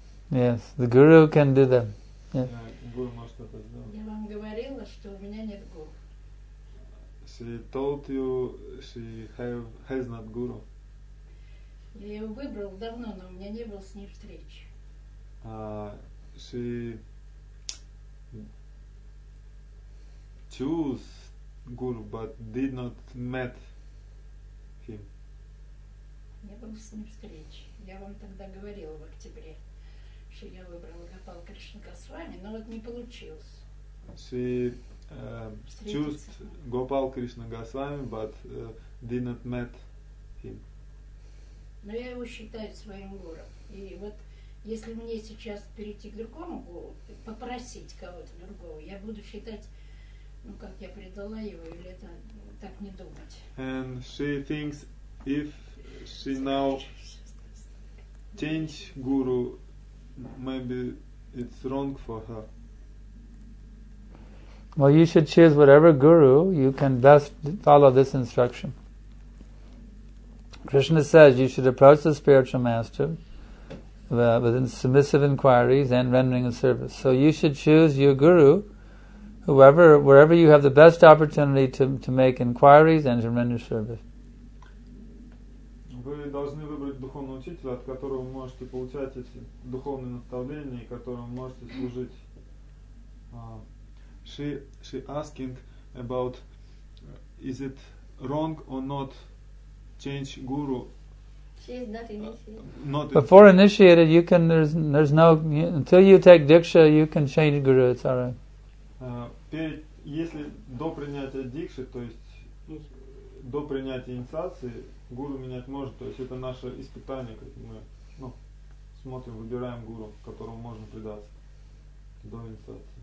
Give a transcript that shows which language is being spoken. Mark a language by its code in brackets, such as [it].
[en] yes, the guru can do that. Yes. [ru] Guru может это сделать. Я вам говорила, что у меня нет гуру. [en] She told you she has not guru. [ru] Я его выбрал давно, но у меня не было с ним встречи. [en] She choose guru, but did not met him. [ru] Не было с ним встречи. Я вам тогда говорила в октябре, что я выбрала Гопал Кришна Госвами, но вот не получилось. [en] She choose Гопал Кришна Госвами, but did not met him. [ru] Но я его считаю своим гуру. И вот если мне сейчас перейти к другому гуру, попросить кого-то другого, я буду считать как я предала его, или это так не думать. [en] And she thinks if she now change guru, maybe it's wrong for her. Well, you should choose whatever guru you can best follow this instruction. Krishna says you should approach the spiritual master with submissive inquiries and rendering a service. So you should choose your guru wherever you have the best opportunity to make inquiries and to render service. [ru] Вы должны выбрать духовного учителя, от которого можете получать эти духовные наставления и которому можете служить. [en] She asking about is it wrong or not change guru Before initiated, you can, there's no, until you take diksha, you can change guru, it's all right. [ru] Перед, если до принятия дикши, то есть до принятия инициации, гуру менять можно, то есть это наше испытание, как мы, ну, смотрим, выбираем гуру, которому можно предаться до инициации.